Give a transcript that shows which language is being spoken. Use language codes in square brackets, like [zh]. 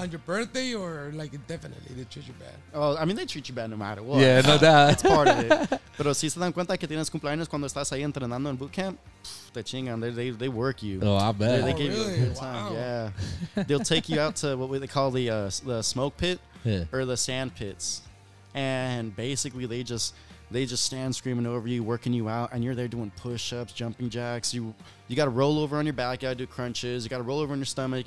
[en] On your birthday or, like, definitely they treat you bad? Oh, I mean, they treat you bad no matter what. Yeah, no doubt. That's part of it. [es] Pero si se dan cuenta que tienes cumpleaños cuando estás ahí entrenando en boot camp, te chingan. [en] They work you. Oh, I bet. They gave you a good time. Wow. Yeah. They'll take you out to what they call the smoke pit or the sand pits. And basically, they just stand screaming over you, working you out, and you're there doing push-ups, jumping jacks. You got to roll over on your back. You got to do crunches. You got to roll over on your stomach.